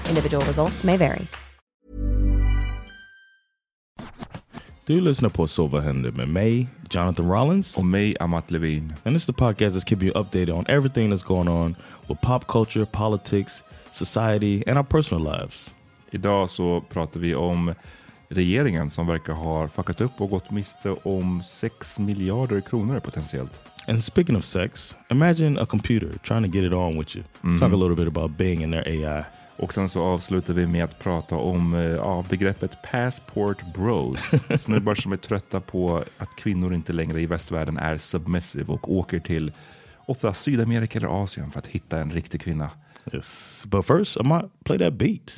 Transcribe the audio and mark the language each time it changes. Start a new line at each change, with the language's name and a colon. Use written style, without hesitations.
English: Individual results may vary. Do you listen to Silver Hender with me, Jonathan Rollins? And me, Amat Levine. And this is the podcast that's keeping you updated on everything that's going on with pop culture, politics, society, and our personal lives.
Swedish: Idag så pratar vi om regeringen som verkar ha fuckat upp och gått miste om 6 miljarder kronor potentiellt.
English: And speaking of sex, imagine a computer trying to get it on with you. Talk a little bit about Bing and their AI.
Swedish: Och sen så avslutar vi med att prata om begreppet passport bros. Snubbar som är trötta på att kvinnor inte längre i västvärlden är submissive och åker till ofta Sydamerika eller Asien för att hitta en riktig kvinna.
English: Yes, but first I might play that beat.